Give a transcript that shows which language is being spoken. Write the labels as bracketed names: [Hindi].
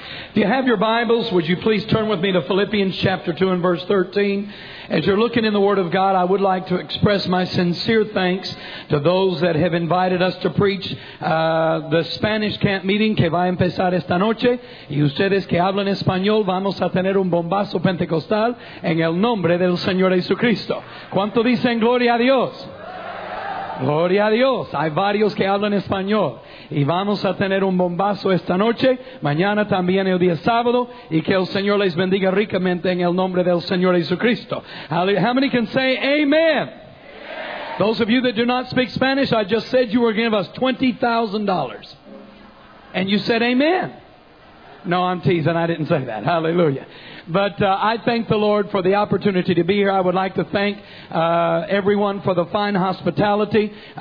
[English] If you have your Bibles, would you please turn with me to Philippians chapter 2 and verse 13. As you're looking in the Word of God, I would like to express my sincere thanks to those that have invited us to preach the Spanish camp meeting [Spanish] que va a empezar esta noche. Y ustedes que hablan español, vamos a tener un bombazo pentecostal en el nombre del Señor Jesucristo. ¿Cuánto dicen gloria a Dios? Gloria a Dios. Hay varios que hablan español. Y vamos a tener un bombazo esta noche, mañana también el día sábado, y que el Señor les bendiga ricamente en el nombre del Señor Jesucristo. [English] How many can say amen? Amen. Those of you that do not speak Spanish, I just said you were going to give us $20,000. And you said amen. No, I'm teasing. I didn't say that. Hallelujah. But I thank the Lord for the opportunity to be here. I would like to thank everyone for the fine hospitality.